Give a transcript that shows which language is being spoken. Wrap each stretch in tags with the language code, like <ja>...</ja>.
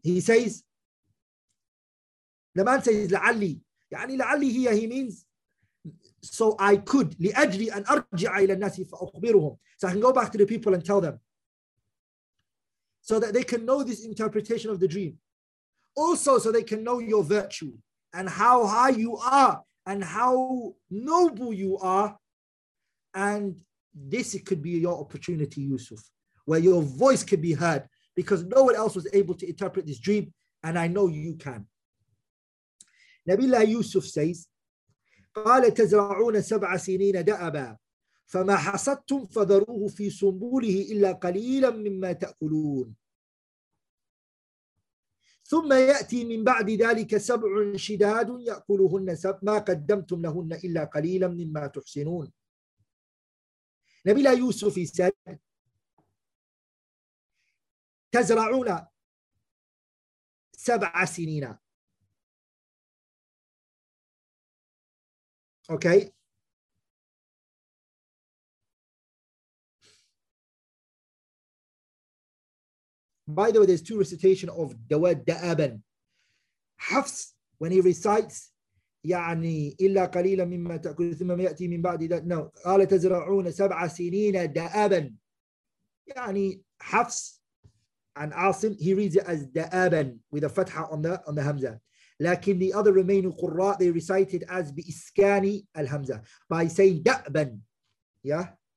<en>He says, the man says, لعلي, يعني لعلي here, he means, so I could,</en> <ar>لأجلي أن أرجع إلى الناس فأخبرهم.</ar> <en>So I can go back to the people and tell them, so that they can know this interpretation of the dream. Also, so they can know your virtue. and how high you are and how noble you are. And this could be your opportunity, Yusuf, where your voice could be heard, because no one else was able to interpret this dream, and I know you can.</en> <ar>Nabilah Yusuf says, قَالَ تَزْرَعُونَ سَبْعَ سِنِينَ دَأَبًا فَمَا حَصَدْتُمْ فَذَرُوهُ فِي سُنْبُولِهِ إِلَّا قَلِيلًا مِمَّا تَأْكُلُونَ ثم يأتي من بعد ذلك سبع شداد يأكلهن سبع ما قدمتم لهن إلا قليلا مما تحسنون. نبيل يوسف said, تزرعون سبع سنين. Okay.</ar> <en>By the way, there's two recitation of the word da'aban.</en> <ar>Hafs,</ar> <en>when he recites,</en> <ar>يعني إلا قليلا مما تأكل ثم يأتي من بعد ذلك.</ar> <en>No.</en> <ar>قال تزرعون سبع سنين da'aban.</ar> <en>يعني Hafs and Asim, he reads it as da'aban with a fatha on the hamza. لكن the other remaining قراء, they recite it as</en> <ar>بإسكان الهمزة</ar> <en>by saying da'aban. Yeah.</en>